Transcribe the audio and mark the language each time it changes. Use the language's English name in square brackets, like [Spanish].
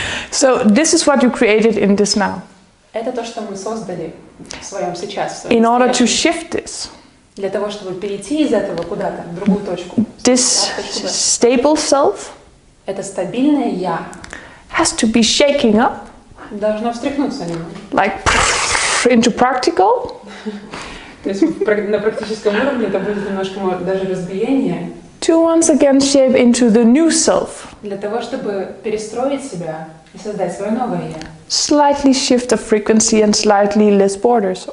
[English] So this is what you created in this now. [Russian] Это то, что мы создали в своем сейчас. [English] In order to shift this. [Russian] Для того, чтобы перейти из этого куда-то, в другую точку. [English] This stable self. [Russian] Это стабильное я. [English] Has to be shaking up. [Russian] Должно встряхнуться немного. [English] Like into practical. [Russian] То есть на практическом уровне это будет немножко даже разбиение. [English] To once again shape into the new self. [Russian] Для того, чтобы перестроить себя и создать свое новое я. [English] Slightly shift the frequency and slightly less borders.